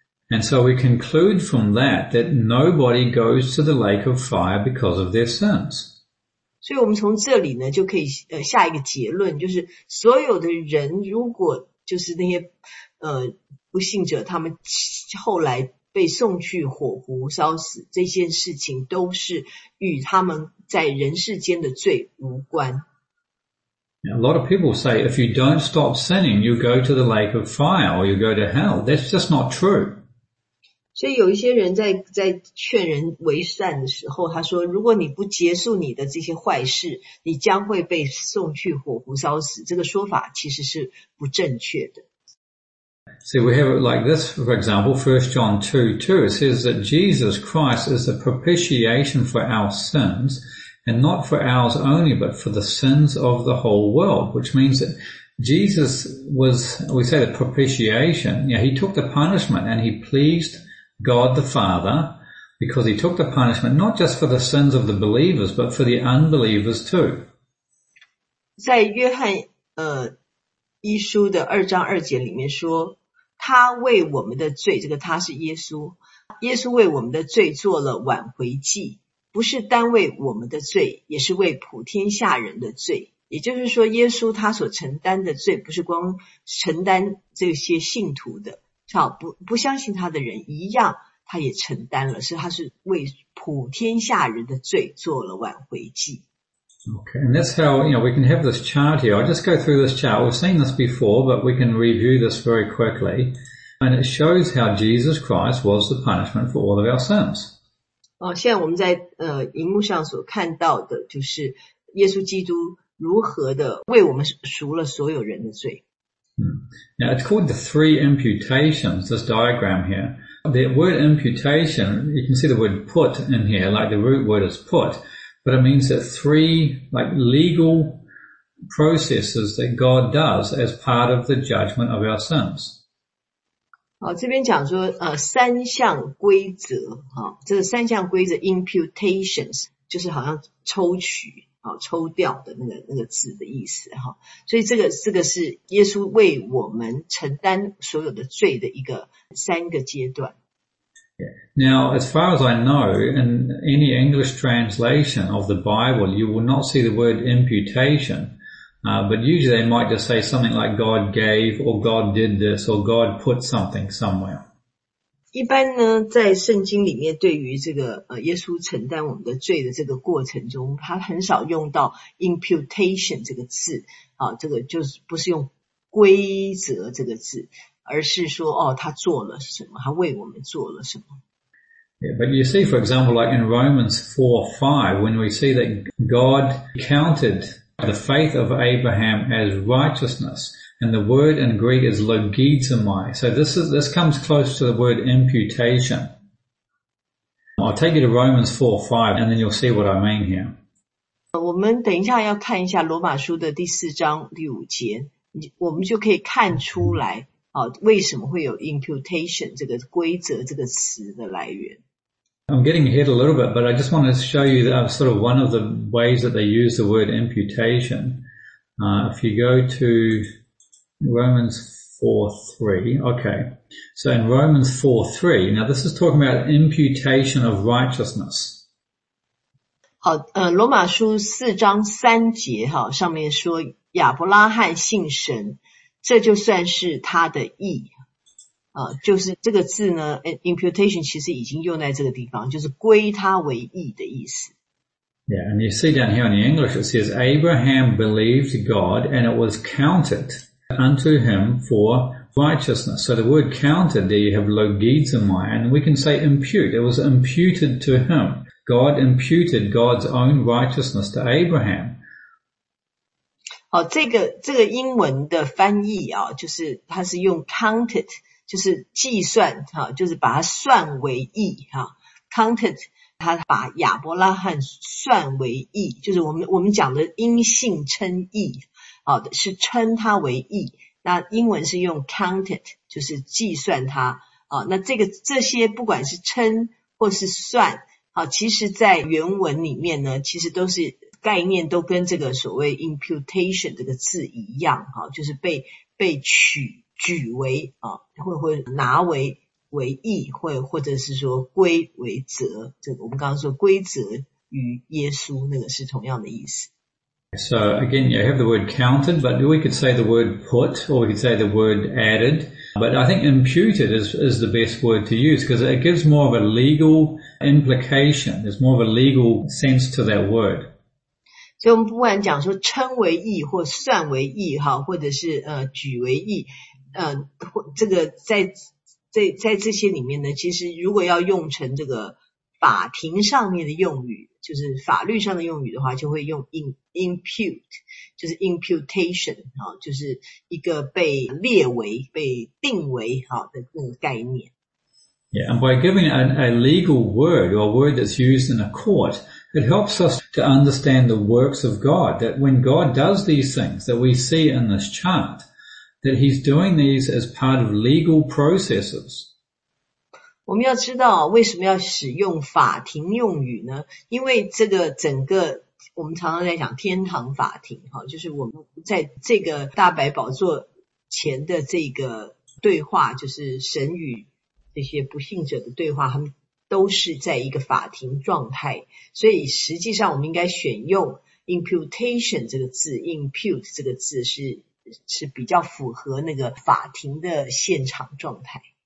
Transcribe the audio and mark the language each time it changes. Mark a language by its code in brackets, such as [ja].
[en] And so we conclude from that nobody goes to the lake of fire because of their sins. [zh] 所以我们从这里呢就可以下一个结论，就是所有的人如果就是那些不幸者，他们后来被送去火湖烧死，这件事情都是与他们在人世间的罪无关。 [en] A lot of people say if you don't stop sinning, you go to the lake of fire or you go to hell. That's just not true. [zh] 所以有一些人在劝人为善的时候，他说如果你不结束你的这些坏事，你将会被送去火湖烧死，这个说法其实是不正确的。 [en] See, we have it like this, for example, 1 John 2:2, it says that Jesus Christ is the propitiation for our sins, and not for ours only, but for the sins of the whole world, which means thatJesus was, we say the propitiation, yeah, he took the punishment and he pleased God the Father because he took the punishment not just for the sins of the believers but for the unbelievers too. [zh] 在约翰一书的二章二节里面说，他为我们的罪，这个他是耶稣，耶稣为我们的罪做了挽回祭，不是单为我们的罪，也是为普天下人的罪。也就是说耶稣他所承担的罪不是光承担这些信徒的，好 不相信他的人一样他也承担了，是他是为普天下人的罪做了挽回祭。 [en] Okay, and that's how, you know, we can have this chart here. I'll just go through this chart. We've seen this before, but we can review this very quickly. And it shows how Jesus Christ was the punishment for all of our sins. [zh] 现在我们在荧幕上所看到的就是耶稣基督如何的为我们赎了所有人的罪。 [en] Now it's called the three imputations, this diagram here. The word imputation, you can see the word put in here, like the root word is put, but it means that three, like legal processes that God does as part of the judgment of our sins. [zh] 好，这边讲说，三项规则，这个三项规则 imputations, 就是好像抽取。抽掉的那个字的意思，所以这个是耶稣为我们承担所有的罪的一个三个阶段。 [en] Now, as far as I know, in any English translation of the Bible, you will not see the word imputation, but usually they might just say something like God gave, or God did this, or God put something somewhere. [zh] 一般呢，在圣经里面，对于这个耶稣承担我们的罪的这个过程中，他很少用到 imputation 这个字，这个就是不是用规则这个字，而是说他做了什么，他为我们做了什么。 [en] Yeah, but you see, for example, like in Romans 4:5, when we see that God counted the faith of Abraham as righteousness. And the word in Greek is logizomai. So this comes close to the word imputation. I'll take you to Romans 4:5 and then you'll see what I mean here. [zh] 我们等一下要看一下罗马书的第四章第五节，我们就可以看出来为什么会有 imputation 这个规则这个词的来源。 [en] I'm getting ahead a little bit, but I just want to show you that sort of one of the ways that they use the word imputation. If you go to... Romans 4:3, okay. So in Romans 4:3, now this is talking about imputation of righteousness. [zh] 好，罗马书四章三节哈，上面说亚伯拉罕信神，这就算是他的义。就是这个字呢 ，imputation 其实已经用在这个地方，就是归他为义的意思。 [en] Yeah, and you see down here in the English, it says Abraham believed God, and it was counted. Unto him for righteousness. So the word counted there, you have logizomai, and we can say impute. It was imputed to him. God imputed God's own righteousness to Abraham. [zh] 好，这个英文的翻译就是它是用 counted, 就是计算就是把它算为义counted, 它把亚伯拉罕算为义，就是我们讲的因信称义。是称他为义，那英文是用 counted, 就是计算他。那这些不管是称或是算，其实在原文里面呢，其实都是概念都跟这个所谓 imputation 这个字一样，就是被举为，或拿为义，或者是说归为责，这个我们刚刚说归责于耶稣，那个是同样的意思。 [en] So again, you have the word counted, but we could say the word put, or we could say the word added. But I think imputed is the best word to use, because it gives more of a legal implication. There's more of a legal sense to that word. [zh] So, 我们不管讲说称为义或算为义或者是举为义，这个在这些里面呢，其实如果要用成这个法庭上面的用语，就是法律上的用语的话，就会用 impute, 就是 imputation, 就是一个被列为、被定为的那个概念。 [en] Yeah, and by giving a legal word, or a word that's used in a court, it helps us to understand the works of God, that when God does these things that we see in this chart, that he's doing these as part of legal processes. [zh] 我们要知道为什么要使用法庭用语呢？因为这个整个我们常常在讲天堂法庭，就是我们在这个大白宝座前的这个对话，就是神与这些不信者的对话，他们都是在一个法庭状态，所以实际上我们应该选用 imputation 这个字， impute 这个字是比较符合那个法庭的现场状态。